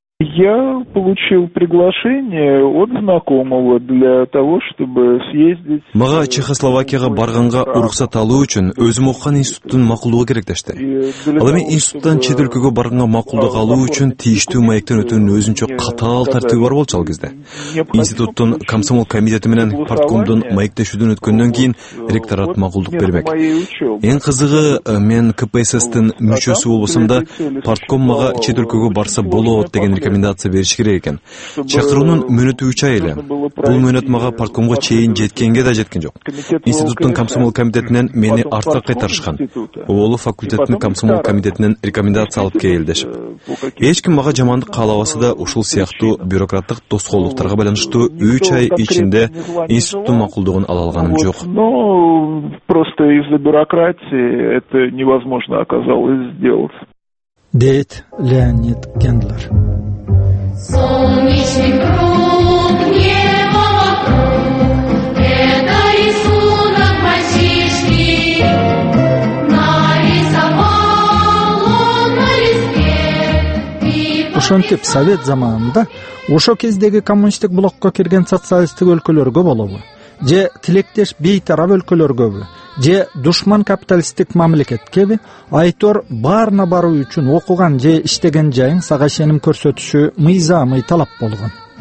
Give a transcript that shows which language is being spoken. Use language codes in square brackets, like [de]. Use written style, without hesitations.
[ru] Я получил приглашение от знакомого для того, чтобы съездить. [ky] Мага Чехословакияга барганга уруксат алуу үчүн өзүм окуган институттун макулдугу керек дешти. Ал эми институттан чет өлкөгө барганга макулдук алуу үчүн тийиштүү маектен өтүүнүн өзүнчө катаал тартиби бар болчу ал кезде. Институттун комсомол комитети менен парткомдун маектешүүдөн өткөндөн кийин ректорат макулдук бермек. Эң кызыгы, мен КПСС-тин мүчөсү болбосом да, партком мага чет өлкөгө барса болот деген рекомендация бериш керек экен. Чакыруунун мөөнөтү 3 ай эле. Бул мөөнөт мага парткомго чейин жеткенге да жеткен жок. Институттун комсомол комитетинен мени артка кайтарышкан. Оолу факультеттин комсомол комитетинен рекомендация алып келдишип. Эч ким мага жамандык каалабаса да, ушул сыяктуу бюрократтык тоскоолдуктарга байланыштуу 3 ай ичинде институттун макулдугун ала алганым жок. [ru] Ну, просто из-за бюрократии это невозможно оказалось сделать. [ky] Дейт Леонид Гендлер. [ru] Солнечный круг, небо вокруг, это рисунок мальчишки, нарисовал он на листке. [ky] Ошентип, совет заманында ошо кездеги коммунисттик блокко кирген социалисттик өлкөлөр көп болобу же тилектеш бейтарап өлкөлөр көбү же душман капиталисттик мамлекеткеби, айтор баарына баруу үчүн окуган же иштеген жайын сага ишеним көрсөтүшү мыйзамый талап болгон.